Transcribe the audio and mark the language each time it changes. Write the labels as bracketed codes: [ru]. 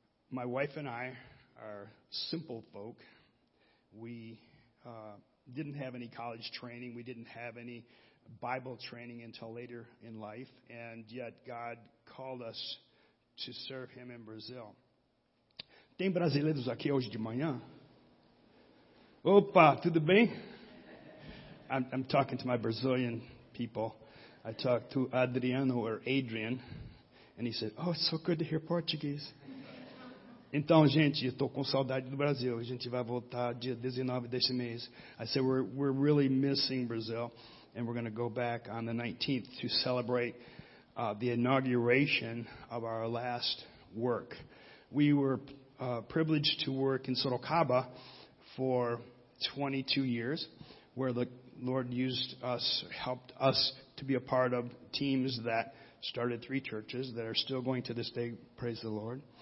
[en] My wife and I are simple folk. We didn't have any college training. We didn't have any Bible training until later in life. And yet God called us to serve him in Brazil. [pt] Tem brasileiros aqui hoje de manhã? Opa, tudo bem? [en] I'm talking to my Brazilian people. I talked to Adriano or Adrian, and he said, oh, it's so good to hear Portuguese. [pt] Então, gente, eu tô com saudade do Brasil. A gente vai voltar dia 19 desse mês. [en] I said, we're really missing Brazil, and we're going to go back on the 19th to celebrate the inauguration of our last work. We were privileged to work in Sorocaba for 22 years, where the Lord used us, helped us to be a part of teams that started three churches that are still going to this day, praise the Lord.